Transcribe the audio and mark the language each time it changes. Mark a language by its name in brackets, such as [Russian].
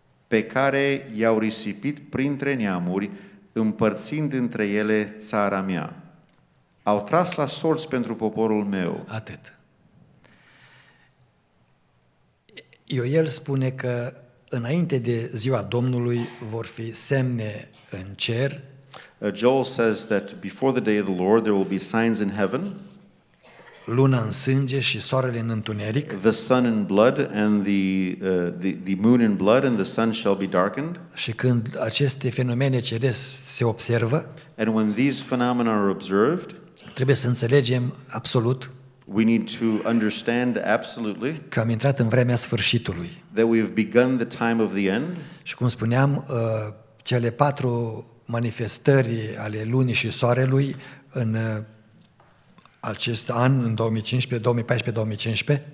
[Romanian] pe care i-au risipit printre neamuri, împărțind între ele țara mea. Au tras la sorți pentru poporul meu. Atât. Ioel spune că înainte de ziua Domnului vor fi semne în cer. [English] Joel says that before the day of the Lord there will be signs in heaven. [Romanian] Luna în sânge și soarele în întuneric. [English] The sun in blood and the moon in blood and the sun shall be darkened. [Romanian] Și când aceste fenomene ceresc se observă, [English] and when these phenomena are observed, [Romanian] trebuie să înțelegem absolut, [English] we need to understand absolutely, [Romanian] că am intrat în vremea sfârșitului. [English] That we have begun the time of the end. [Romanian] Și cum spuneam, cele patru manifestări ale lunii și soarelui în acest an, în 2015, 2014, 2015.